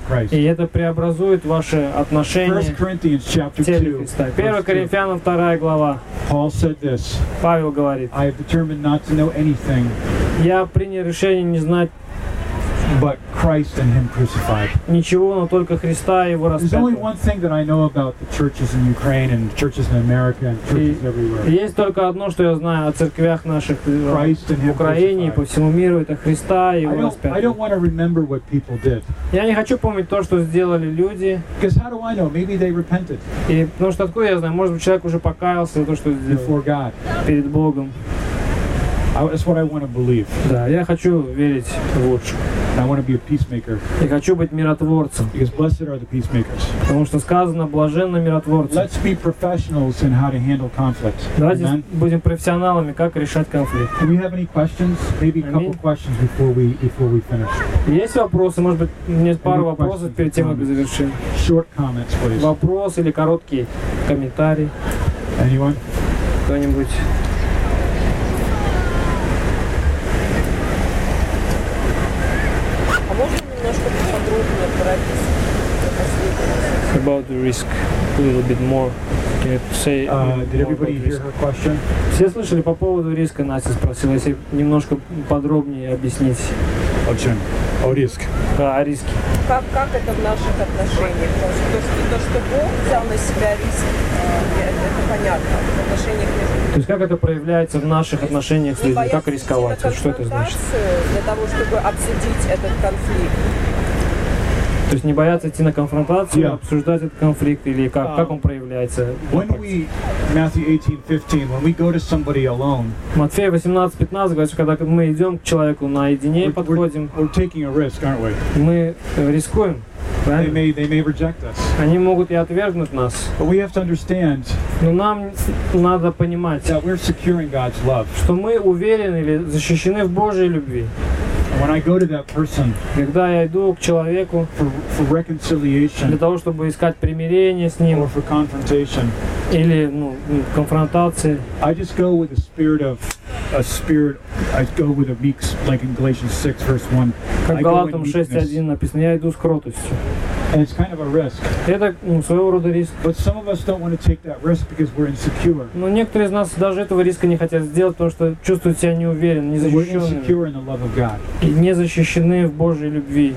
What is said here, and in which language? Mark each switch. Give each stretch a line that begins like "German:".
Russian: И это преобразует ваши отношения в теле Христа. 1 Коринфянам 2 глава.
English: Paul said this.
Russian: Павел говорит,
English: I have determined not to know anything.
Russian: Я принял решение не знать.
English: But Christ and Him crucified.
Russian: Ничего, но только Христа и его распятого.
English: There's only one thing that I know about the churches in Ukraine and churches in America and churches everywhere.
Russian: Есть только одно, что я знаю о церквях наших в Украине и по всему миру. Это Христа и его распятого.
English: I don't want to remember what people did.
Russian: Я не хочу помнить то, что сделали люди.
English: Because how do I know? Maybe they repented.
Russian: И потому что откуда я знаю? Может быть, человек уже покаялся за то, что сделал.
English: Before God.
Russian: Перед Богом.
English: That's what I want to believe.
Russian: Да, я хочу верить в лучшее.
English: I want to be a peacemaker.
Russian: Я хочу быть миротворцем.
English: Because blessed are the peacemakers.
Russian: Потому что сказано, блаженны миротворцы.
English: Let's be professionals in how to handle conflict.
Russian: Давайте будем профессионалами, как решать конфликт.
English: Do we have any questions? Maybe a couple questions before we finish.
Russian: Есть вопросы? Может быть, мне пару вопросов перед тем, как завершим.
English: Short comments, please.
Russian: Вопрос или короткий комментарий?
English: Anyone?
Russian: Кто-нибудь?
English: About the risk a little bit more. Can you say did everybody hear her question?
Russian: Все слышали по поводу риска, Настя спросила, если немножко подробнее объяснить. О чем? О риске. Да, о риске. Как это в наших отношениях? То, что Бог взял на себя риск, это понятно. В отношениях между людьми. То есть как это проявляется в наших отношениях с людьми? Как рисковать? Что это значит? Для того, чтобы обсудить этот конфликт. То есть не бояться идти на конфронтацию, обсуждать этот конфликт или как он проявляется?
English: When we Matthew 18:15, when we go to somebody alone,
Russian: Матфея 18:15 говорит, когда мы идем к человеку наедине, подходим,
English: we're taking a risk, aren't we?
Russian: Мы рискуем.
English: Right? They may reject us.
Russian: Они могут и отвергнуть нас.
English: But we have to understand.
Russian: Но нам надо понимать,
English: that we're securing God's love.
Russian: Что мы уверены или защищены в Божьей любви.
English: When I go to that person,
Russian: когда я иду к человеку
English: for reconciliation,
Russian: для того чтобы искать примирение с ним,
English: or for confrontation,
Russian: или конфронтации,
English: I just go with a spirit of a spirit. I go with a meek, like in Galatians 6:1.
Russian: Как Галатам 6:1 написано, я иду с кротостью.
English: And it's kind of a risk.
Russian: Это своего рода риск.
English: But some of us don't want to take that risk because we're insecure.
Russian: Но некоторые из нас даже этого риска не хотят сделать, потому что чувствуют себя неуверенно, незащищенными.
English: We're insecure in the love of God.
Russian: И не защищены в Божьей любви.